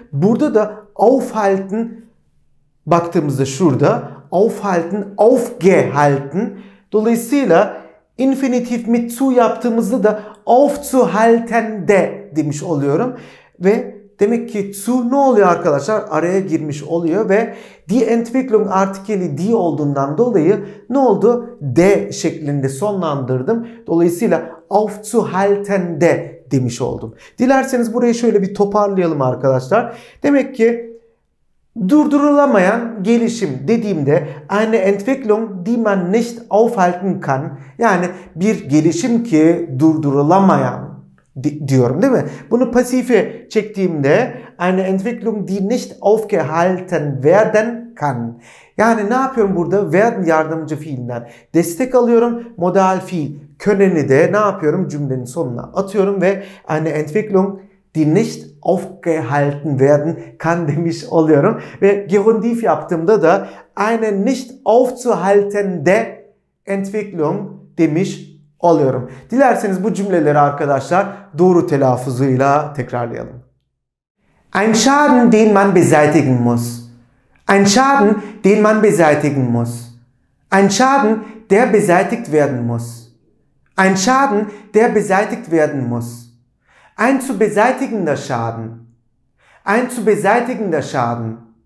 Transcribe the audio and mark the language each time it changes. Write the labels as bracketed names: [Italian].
[Turkish] Burada da aufhalten, baktığımızda şurada aufhalten, aufgehalten. Dolayısıyla infinitiv mit zu yaptığımızda da aufzuhalten de demiş oluyorum. Ve demek ki zu ne oluyor arkadaşlar? Araya girmiş oluyor ve die Entwicklung artikeli die olduğundan dolayı ne oldu? De şeklinde sonlandırdım. Dolayısıyla aufzuhalten de demiş oldum. Dilerseniz burayı şöyle bir toparlayalım arkadaşlar. Demek ki durdurulamayan gelişim dediğimde [German] eine Entwicklung, die man nicht aufhalten kann, [Turkish] yani bir gelişim ki durdurulamayan diyorum, değil mi? Bunu pasife çektiğimde [German] eine Entwicklung, die nicht aufgehalten werden kann. [Turkish] Yani ne yapıyorum burada? Werden yardımcı fiilinden destek alıyorum. Modal fiil können'i de ne yapıyorum? Cümlenin sonuna atıyorum ve [German] eine Entwicklung, die nicht aufgehalten werden kann [Turkish] demiş oluyorum. Ve gerundiv yaptığımda da [German] eine nicht aufzuhaltende Entwicklung [Turkish] demiş oluyorum. Dilerseniz bu cümleleri arkadaşlar doğru telaffuzuyla tekrarlayalım. [German] Ein Schaden, den man beseitigen muss. Ein Schaden, den man beseitigen muss. Ein Schaden, der beseitigt werden muss. Ein Schaden, der beseitigt werden muss. Ein zu beseitigender Schaden. Ein zu beseitigender Schaden.